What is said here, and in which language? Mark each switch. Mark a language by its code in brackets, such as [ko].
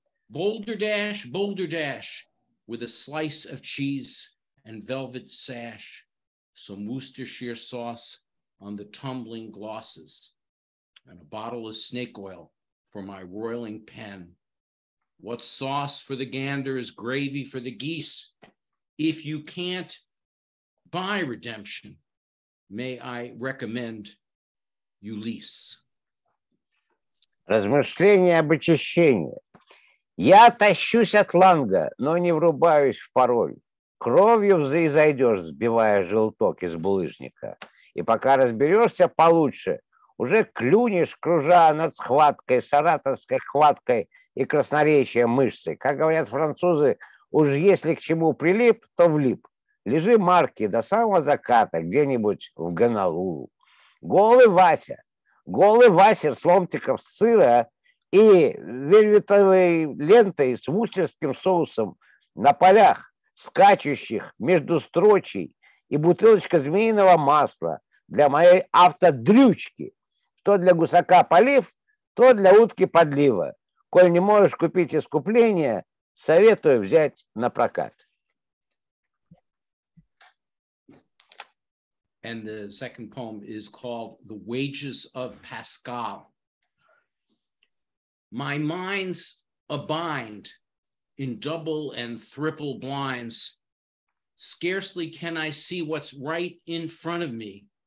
[en] Boulder dash, boulder dash, with a slice of cheese and velvet sash, some Worcestershire sauce on the tumbling glosses, and a bottle of snake oil for my roiling pen. What sauce for the gander is gravy for the geese. If you can't buy redemption, may I recommend Ulysse? [ru] Размышление об очищении. Я тащусь от ланга, но не врубаюсь в пароль. Кровью взаизойдешь, сбивая желток из булыжника. И пока разберешься получше, уже клюнешь, кружа над схваткой, саратовской хваткой и красноречием мышцы. Как говорят французы, уж если к чему прилип, то влип. Лежи марки до самого заката где-нибудь в Гонолулу. Голый Вася с ломтиком сыра и вельветовой лентой с вустерским соусом на полях, скачущих между строчей и бутылочка змеиного масла для моей автодрючки. То для гусака полив, то для утки подлива. Коль не можешь купить искупление, советую взять на прокат. [en] And the second poem is called The Wages of Pascal. My mind's a bind in double and triple blinds. Scarcely can I see what's right in front of me.